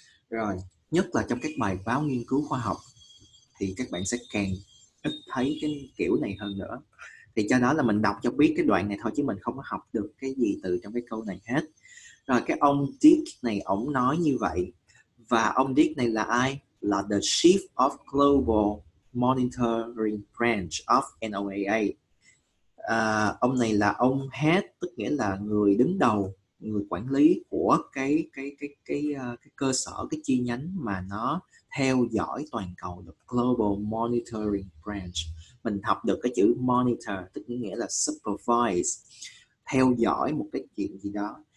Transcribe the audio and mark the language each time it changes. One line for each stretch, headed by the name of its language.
Vietnamese: Rồi, nhất là trong các bài báo nghiên cứu khoa học thì các bạn sẽ càng ít thấy cái kiểu này hơn nữa. Thì cho đó là mình đọc cho biết cái đoạn này thôi, chứ mình không có học được cái gì từ trong cái câu này hết. Rồi, cái ông Dick này, ổng nói như vậy. Và ông Dick này là ai? Là
English: the chief of global monitoring branch of NOAA.
Vietnamese: Ông này là ông head, tức nghĩa là người đứng đầu, người quản lý của cái cơ sở, cái chi nhánh mà nó theo dõi toàn cầu,
English: the global monitoring branch.
Vietnamese: Mình học được cái chữ monitor, tức nghĩa là supervise, theo dõi một cái chuyện gì đó.